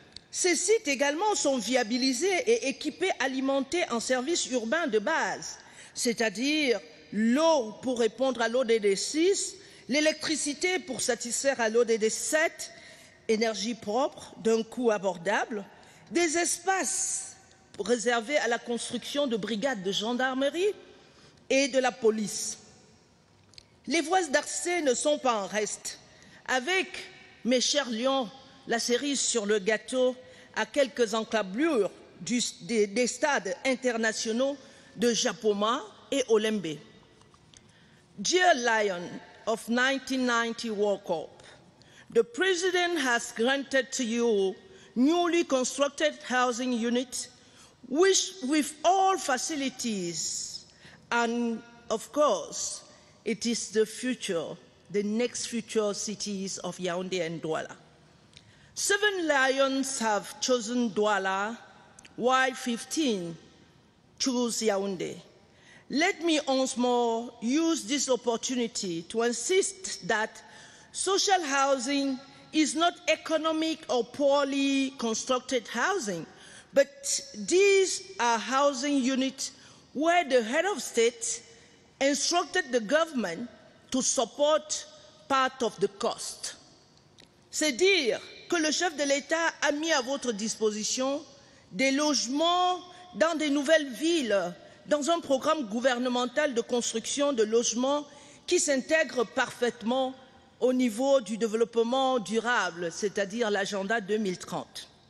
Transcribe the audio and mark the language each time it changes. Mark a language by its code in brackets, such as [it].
[fr] Ces sites également sont viabilisés et équipés, alimentés en services urbains de base, c'est-à-dire l'eau pour répondre à l'ODD6, l'électricité pour satisfaire à l'ODD7, énergie propre d'un coût abordable, des espaces réservés à la construction de brigades de gendarmerie et de la police. Les voies d'accès ne sont pas en reste. Avec, mes chers lions, la cerise sur le gâteau, à quelques enclablures des stades internationaux de Japoma et Olembe. [en] Dear Lion of 1990 World Cup, the President has granted to you newly constructed housing units, which with all facilities, and of course, it is the future, the next future cities of Yaoundé and Douala. Seven Lions have chosen Douala, while 15 choose Yaoundé. Let me once more use this opportunity to insist that social housing is not economic or poorly constructed housing, but these are housing units where the head of state instructed the government to support part of the cost. [fr] C'est dire que le chef de l'État a mis à votre disposition des logements dans des nouvelles villes, dans un programme gouvernemental de construction de logements qui s'intègre parfaitement au niveau du développement durable, c'est-à-dire l'agenda 2030.